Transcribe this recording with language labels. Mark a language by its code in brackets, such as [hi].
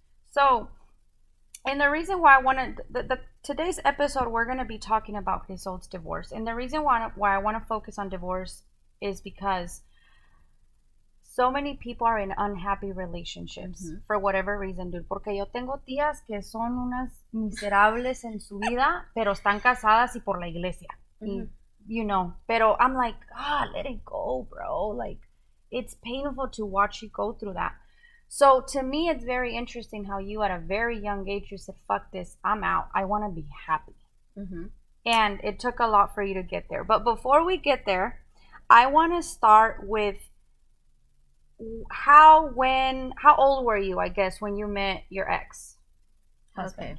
[en] So, and the reason why I want to, today's episode, we're going to be talking about Crisol's divorce. And the reason why I want to focus on divorce is because so many people are in unhappy relationships for whatever reason, dude. [es] Porque yo tengo tías que son unas miserables en su vida, pero están casadas y por la iglesia. [en] Mm-hmm. Y, you know, pero I'm like, God, let it go, bro. Like, it's painful to watch you go through that. So to me, it's very interesting how you, at a very young age, you said, fuck this, I'm out. I want to be happy. Mm-hmm. And it took a lot for you to get there. But before we get there, I want to start with how old were you, I guess, when you met your ex-husband?